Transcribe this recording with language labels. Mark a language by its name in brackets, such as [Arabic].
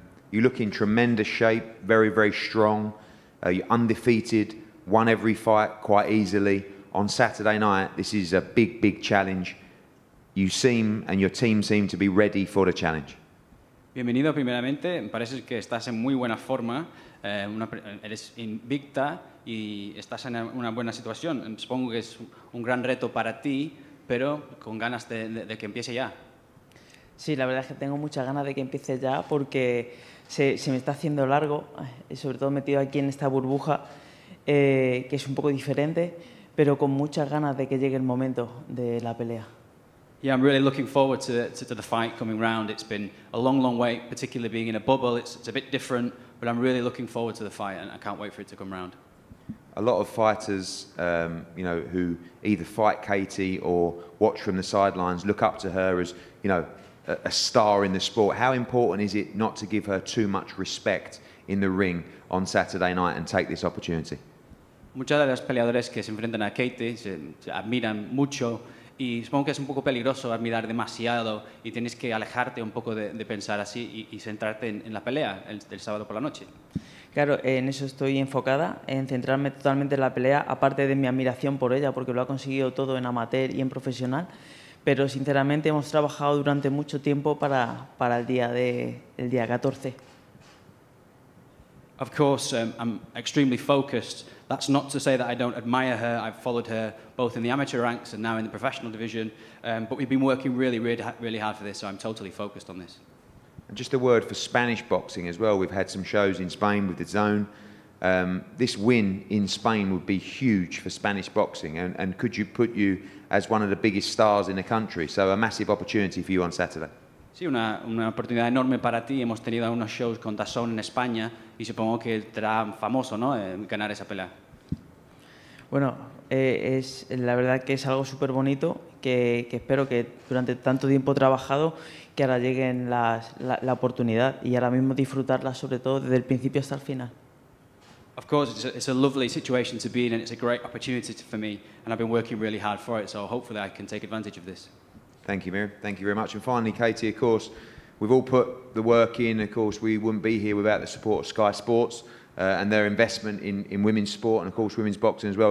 [English] You look in tremendous shape, very, very strong. You're undefeated, won every fight quite easily. On Saturday night, this is a big, big challenge. You seem, and your team seem, to be ready for the challenge. [Spanish] Bienvenido, primeramente. Parece que estás en muy buena forma. Eres invicta y estás en una buena situación. Supongo que es un gran reto para ti, pero con ganas de que empiece ya. Sí, la verdad es que tengo muchas ganas de que empiece ya, porque se me está haciendo largo, sobre todo metido aquí en esta burbuja, que es un poco diferente, pero con muchas ganas de que llegue el momento de la pelea. [English] Yeah, I'm really looking forward to the fight coming round. It's been a long, long wait, particularly being in a bubble. It's a bit different, but I'm really looking forward to the fight, and I can't wait for it to come round. A lot of fighters, who either fight Katie or watch from the sidelines, look up to her as, you know, a star in the sport. How important is it not to give her too much respect in the ring on Saturday night and take this opportunity? [Spanish] Muchas de las peleadoras que se enfrentan a Katie se admiran mucho. Y supongo que es un poco peligroso admirar demasiado y tienes que alejarte un poco de pensar así y centrarte en la pelea el sábado por la noche. Claro, en eso estoy enfocada, en centrarme totalmente en la pelea, aparte de mi admiración por ella, porque lo ha conseguido todo en amateur y en profesional. Pero sinceramente hemos trabajado durante mucho tiempo para el día 14. [English] Of course, I'm extremely focused. That's not to say that I don't admire her. I've followed her both in the amateur ranks and now in the professional division. But we've been working really, really, really hard for this, so I'm totally focused on this. And just a word for Spanish boxing as well. We've had some shows in Spain with The Zone. This win in Spain would be huge for Spanish boxing and could you put you as one of the biggest stars in the country. So a massive opportunity for you on Saturday. [Spanish] Sí, una oportunidad enorme para ti. Hemos tenido unos shows con Dazón en España y supongo que te hará famoso, ¿no? Ganar esa pelea. Bueno, es la verdad que es algo súper bonito que espero que durante tanto tiempo trabajado que ahora lleguen la oportunidad y ahora mismo disfrutarla sobre todo desde el principio hasta el final. [English] Of course, it's a lovely situation to be in, and it's a great opportunity for me, and I've been working really hard for it, so hopefully I can take advantage of this. Thank you, Miriam. Thank you very much. And finally, Katie, of course, we've all put the work in. Of course, we wouldn't be here without the support of Sky Sports and their investment in women's sport and, of course, women's boxing as well.